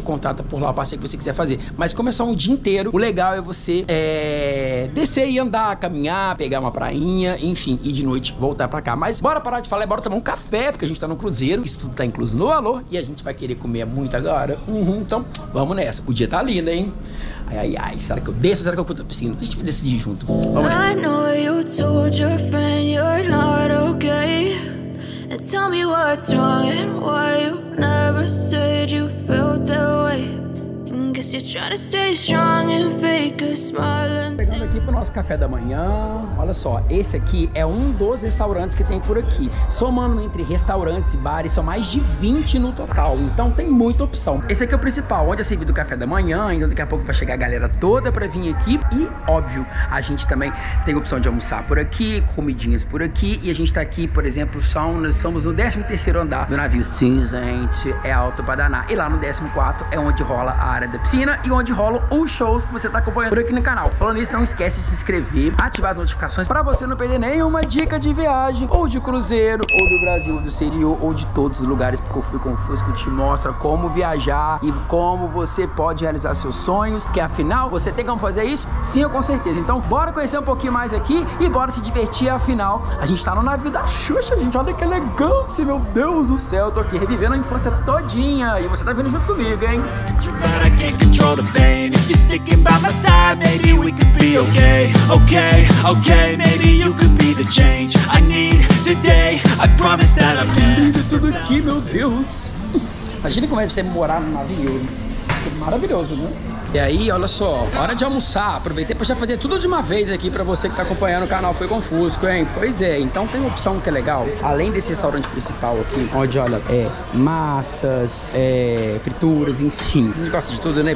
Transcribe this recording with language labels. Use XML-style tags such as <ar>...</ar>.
<pt>Contrata por lá o passeio que você quiser fazer. Mas como é só um dia inteiro, o legal é você descer e andar, caminhar, pegar uma prainha, enfim, e de noite voltar pra cá. Mas bora parar de falar e bora tomar um café, porque a gente tá no cruzeiro. Isso tudo tá incluso no valor e a gente vai querer comer muito agora. Então, vamos nessa. O dia tá lindo, hein? Ai, ai, ai. Será que eu desço? Será que eu vou pra piscina? A gente vai decidir junto. Vamos nessa.</pt> <en>I know you told your friend you're not okay. And tell me what's wrong and why you never said you felt that way. Guess you're trying to stay strong and fake a smile.</en> <pt>Chegando aqui pro nosso café da manhã. Olha só, esse aqui é um dos restaurantes que tem por aqui. Somando entre restaurantes e bares, são mais de 20 no total. Então tem muita opção. Esse aqui é o principal, onde é servido o café da manhã. Então daqui a pouco vai chegar a galera toda pra vir aqui. E óbvio, a gente também tem opção de almoçar por aqui, comidinhas por aqui. E a gente tá aqui, por exemplo, nós somos no 13º andar do navio. Sim, gente, é alto pra danar. E lá no 14º é onde rola a área da piscina e onde rolam os shows que você tá acompanhando por aqui no canal. Falando nisso, não esquece de se inscrever, ativar as notificações pra você não perder nenhuma dica de viagem ou de cruzeiro, ou do Brasil, ou do exterior, ou de todos os lugares, porque eu fui confuso que te mostra como viajar e como você pode realizar seus sonhos, que afinal, você tem como fazer isso? Sim, com certeza. Então, bora conhecer um pouquinho mais aqui e bora se divertir, afinal a gente tá no navio da Xuxa, gente, olha que elegância, meu Deus do céu, eu tô aqui revivendo a infância todinha e você tá vindo junto comigo, hein?</pt> <en>I can't control the pain. If you're sticking by my side, maybe we could be okay. Okay, okay, maybe you could be the change I need today. I promise that I'm here.</en> <pt>Tudo aqui, meu Deus. Imagina como é você morar no navio. Isso é maravilhoso, né? E aí, olha só, hora de almoçar. Aproveitei pra já fazer tudo de uma vez aqui pra você que tá acompanhando o canal. Foi confuso, hein? Pois é, então tem uma opção que é legal. Além desse restaurante principal aqui, onde, olha, massas, frituras, enfim. A gente gosta de tudo, né?</pt>